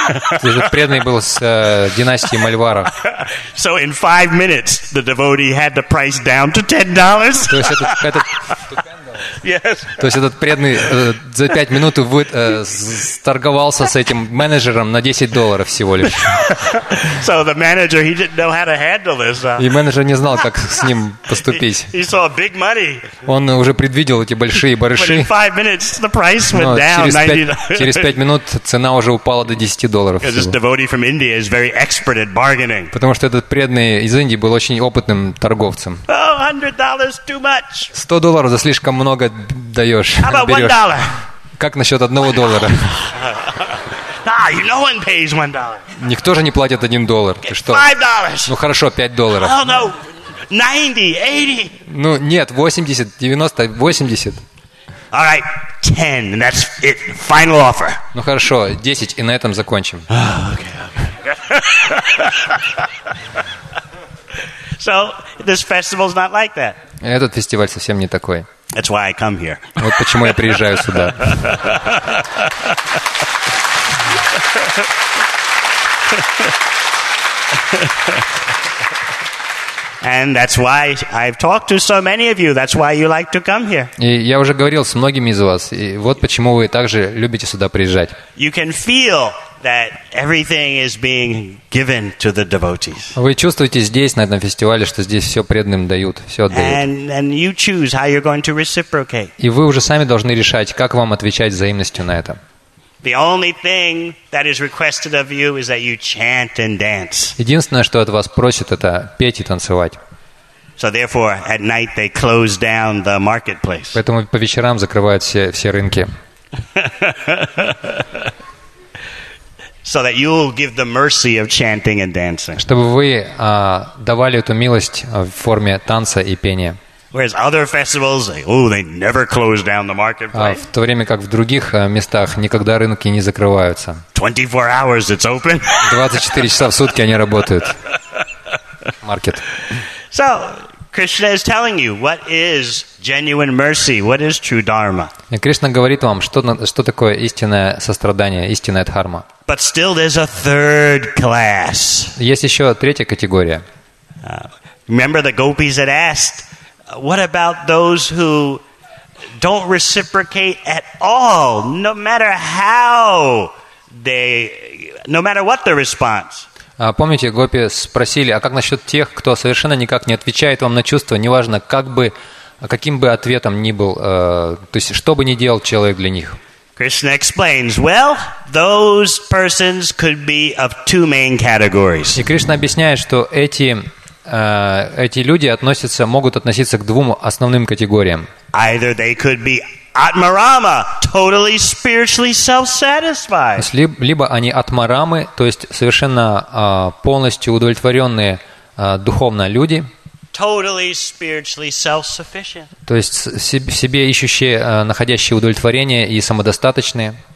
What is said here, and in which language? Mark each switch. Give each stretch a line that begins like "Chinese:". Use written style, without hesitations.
Russian: Этот преданный был с династии Мальвара.
English: So in 5 minutes the devotee had the price down to $10.
Russian: То есть этот
English: Yes.
Russian: То есть этот преданный за 5 минут торговался с этим менеджером на $10 всего лишь.
English: So the manager, he didn't know how to handle this.
Russian: И менеджер не знал, как с ним поступить.
English: He saw big money.
Russian: Он уже предвидел эти большие барыши.
English: But in 5 minutes the price went down $90.
Russian: Через 5 минут цена уже упала до $10.
English: Because this devotee from India is very expert at bargaining.
Russian: Потому что этот преданный из Индии был очень опытным торговцем.
English: Oh, $100 too much.
Russian: $100 за слишком много. Много даешь,
English: How about $1?
Russian: Как насчет $1?
English: No one pays $1.
Russian: Никто же не платит $1. Ты что?
English: $5.
Russian: Ну хорошо, $5.
English: Oh, no. 90, 80.
Russian: Ну нет, 80, 90, 80.
English: All right, 10, and that's it. Final offer.
Russian: Ну хорошо, 10, и на этом закончим.
English: Okay. So this festival's not like that.
Russian: Этот фестиваль совсем не такой.
English: That's why I come here.
Russian: Вот почему я приезжаю сюда.
English: And that's why I've talked to so many of you. That's why you like to come here.
Russian: И я уже говорил с многими из вас, и вот почему вы также любите сюда приезжать.
English: You can feel that everything is being given to the devotees.
Russian: Вы чувствуете здесь, на этом фестивале, что здесь все преданным дают, все отдают.
English: And you choose how you're going to reciprocate.
Russian: И вы уже сами должны решать, как вам отвечать взаимностью на это.
English: The only thing that is requested of you is that you chant and dance.
Russian: Единственное, что от вас просят, это петь и танцевать.
English: So therefore, at night they close down the marketplace.
Russian: Поэтому по вечерам закрывают все рынки.
English: So that you'll give the mercy of chanting and dancing.
Russian: Чтобы вы давали эту милость в форме танца и пения.
English: Whereas other festivals, they never close down the marketplace.
Russian: В то время как в других местах никогда рынки не закрываются.
English: 24 hours it's open.
Russian: 24 часа в сутки они работают.
English: Market. So Krishna is telling you what is genuine mercy, what is true dharma.
Russian: Кришна говорит вам, что такое истинное сострадание, истинная дхарма.
English: But still there's a third class.
Russian: Есть еще третья категория.
English: Remember the gopis had asked, what about those who don't reciprocate at all, no matter what the response?
Russian: Помните, гопи спросили, а как насчет тех, кто совершенно никак не отвечает вам на чувства, неважно, каким бы ответом ни был, то есть что бы ни делал человек для них?
English: Krishna explains, well, those persons could be of two main categories.
Russian: И Кришна объясняет, что эти люди могут относиться к двум основным категориям.
English: Either they could be Атмарама, totally spiritually self-satisfied.
Russian: Либо они атмарамы, то есть совершенно полностью удовлетворенные духовно люди.
English: Totally spiritually self-sufficient.
Russian: То есть в себе ищущие, находящие удовлетворение и самодостаточные.